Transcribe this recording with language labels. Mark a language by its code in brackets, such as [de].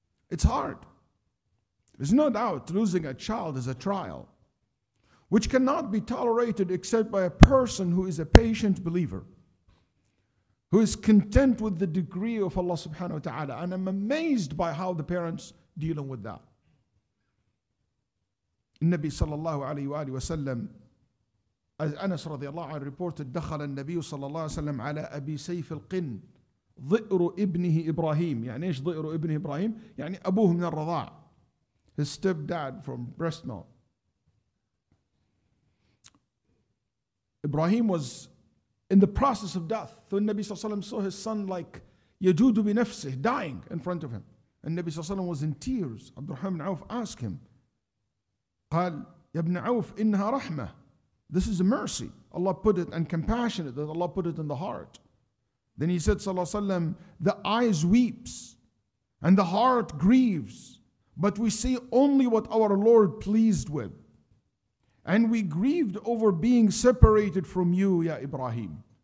[en] It's hard. There's no doubt losing a child is a trial, which cannot be tolerated except by a person who is a patient believer, who is content with the decree of Allah subhanahu wa ta'ala. And I'm amazed by how the parents dealing with that. Nabi sallallahu alayhi wa sallam, as Anas radiallahu anhu reported, [ar] دخل النبي صلى الله عليه وسلم على أبي سيف القن ضئر ابنه إبراهيم. يعني إيش ضئر ابنه إبراهيم؟ يعني أبوه من الرضاع. [en] His stepdad from breast milk. Ibrahim was in the process of death. So Nabi sallallahu alayhi wa sallam saw his son like yajudu bi nafsih, dying in front of him. And Nabi sallallahu alayhi wa sallam was in tears. Abdurrahman ibn Auf asked him, [ar] قال يا ابن عوف إنها رحمة. [en] This is a mercy. Allah put it, and compassionate that Allah put it in the heart. Then he said, sallallahu alayhi wa sallam, the eyes weeps and the heart grieves, but we see only what our Lord pleased with. And we grieved over being separated from you, ya Ibrahim.